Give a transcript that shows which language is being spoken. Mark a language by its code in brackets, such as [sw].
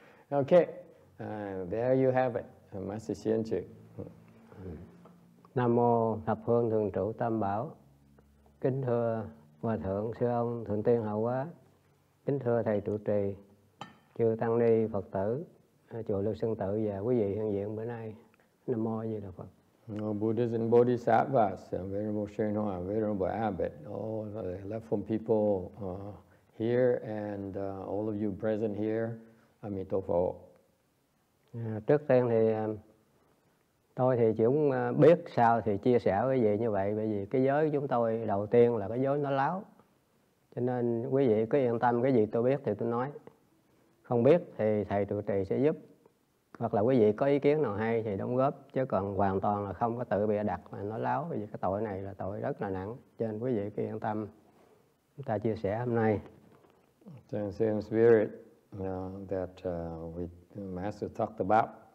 [en] Okay, there you have it, Master Xuyến Trữ. [vi] Nam Mô Thập Phương Thường Trụ Tam Bảo. Kính thưa Hòa Thượng, Sư Ông, Thượng Tiên Hậu Quá. Kính thưa Thầy Trụ Trì, Chư Tăng Ni Phật Tử, Chùa Lưu Sơn Tự và quý vị hiện diện bữa nay. Nam Mô A Di Đà Phật. [en] Buddhas and Bodhisattvas, Venerable Shenhua, Venerable Abbot, all the helpful people here and all of you present here, Amitofo. [vi] Trước tiên thì tôi thì cũng biết sao thì chia sẻ quý vị như vậy, bởi vì cái giới chúng tôi đầu tiên là cái giới nó láo. Cho nên quý vị cứ yên tâm, cái gì tôi biết thì tôi nói. Không biết thì Thầy Trụ Trì sẽ giúp. Hoặc là quý vị có ý kiến nào hay thì đóng góp. Chứ còn hoàn toàn là không có tự bịa đặt mà nói láo. Vì cái tội này là tội rất là nặng. Cho nên quý vị cứ yên tâm. Chúng ta chia sẻ hôm nay. [en] The same spirit that we Master talked about.